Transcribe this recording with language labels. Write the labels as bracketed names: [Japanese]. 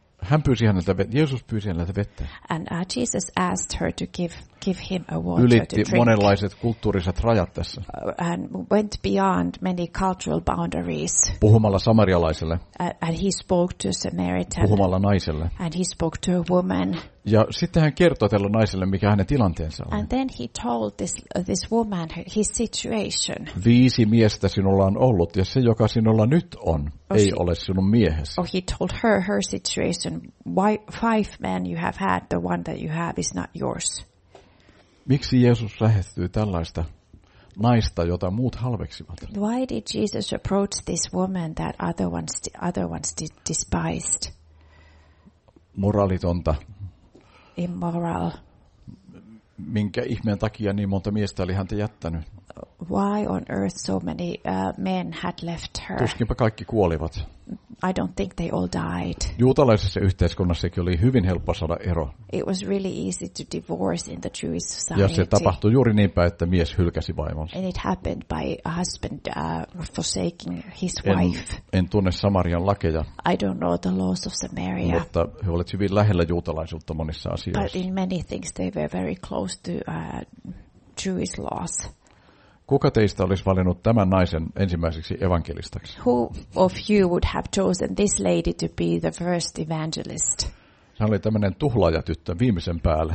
[Finnish] Hän pyysi häneltä vettä. Jeesus pyysi häneltä vettä. [English] And Jesus asked her to give him a water. [Finnish] Ylitti [English] to drink. [Finnish] Monenlaiset kulttuuriset rajat tässä. [English] And went beyond many cultural boundaries. [Finnish] Puhumalla samarialaiselle. [English] And he spoke to a Samaritan. [Finnish] Puhumalla naiselle. [English] And he spoke to a woman. [Finnish] Ja sitten hän kertoi tälle naiselle, mikä hänen tilanteensa oli. [English] And then he told this woman his situation. [Finnish] Viisi miestä sinulla on ollut, ja se, joka sinulla nyt on, ei ole sinun miehesi. [English] Oh, he told her situation. Why, five men you have had, the one that you have is not yours. [Finnish] Miksi Jeesus lähestyi tällaista naista, jota muut halveksivat? [English] Why did Jesus approach this woman that other ones despised? [Finnish] Moraalitonta. [English] Immoral. [Finnish] Minkä ihmeen takia niin monta miestä oli häntä jättänyt? [English] Why on earth so many men had left her? [Finnish] Tuskinpa kaikki kuolivat. [English] I don't think they all died. [Finnish] Juutalaisessa yhteiskunnassakin oli hyvin helppo saada ero. [English] It was really easy to divorce in the Jewish society. [Finnish] Ja se tapahtui juuri niin päin, että mies hylkäsi vaimonsa. [English] And it happened by a husband forsaking his wife. [Finnish] En tunne Samarian lakeja. [English] I don't know the laws of Samaria. [Finnish] Mutta he olivat hyvin lähellä juutalaisuutta monissa asioissa. [English] But in many things they were very close to Jewish laws. [Finnish] Kuka teistä olisi valinnut tämän naisen ensimmäiseksi evankelistaksi? [English] Who of you would have chosen this lady to be the first evangelist? [Finnish] Hän oli tämmöinen tuhlaajatyttö viimeisen päälle.